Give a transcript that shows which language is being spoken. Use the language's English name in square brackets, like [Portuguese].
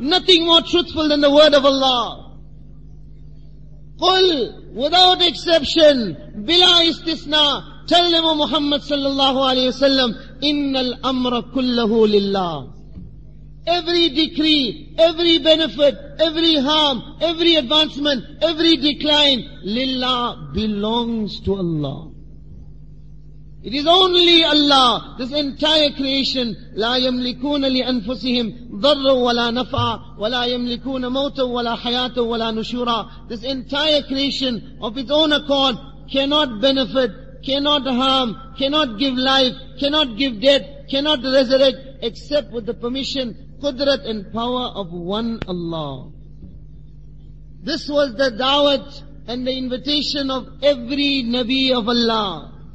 [English] Nothing more truthful than the word of Allah. قُلْ without exception, [Arabic] بِلَا إِسْتِسْنَا, [English] tell them, O Muhammad [Arabic] sallallahu alayhi wa sallam, إِنَّ الْأَمْرَ كُلَّهُ لِلَّهِ. [English] Every decree, every benefit, every harm, every advancement, every decline, لِلَّهِ belongs to Allah. It is only Allah, this entire creation, [Arabic] لَا يَمْلِكُونَ لِأَنفُسِهِمْ ضَرَّ وَلَا نَفْعَ وَلَا يَمْلِكُونَ مَوْتَ وَلَا حَيَاتَ وَلَا نُشُورَ. [English] This entire creation of its own accord cannot benefit, cannot harm, cannot give life, cannot give death, cannot resurrect, except with the permission, qudrat and power of one Allah. This was the da'wat and the invitation of every Nabi of Allah.